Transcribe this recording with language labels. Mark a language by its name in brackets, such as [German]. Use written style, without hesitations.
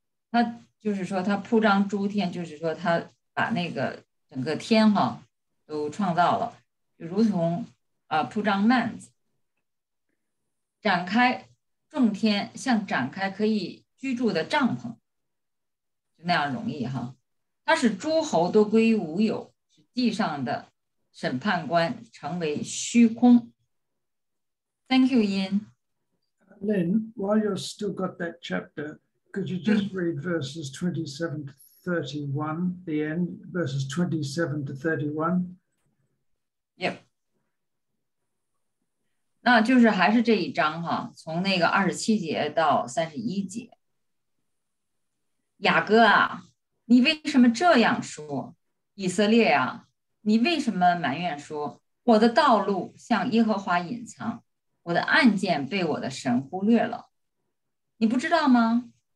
[Chinese] 他就是说他铺张诸天，就是说他把那个整个天哈都创造了，就如同铺张幔子，展开众天，像展开可以居住的帐篷，就那样容易哈。他使诸侯都归于无有，使地上的审判官成为虚空。 [English] Thank you, Ian. Lynn, while you've still got that chapter, could you just read verses 27 to 31, Yep. [Chinese] 那就是还是这一章哈，从那个27节到31节。雅各啊，你为什么这样说？以色列啊，你为什么埋怨说，我的道路向耶和华隐藏，我的案件被我的神忽略了？你不知道吗？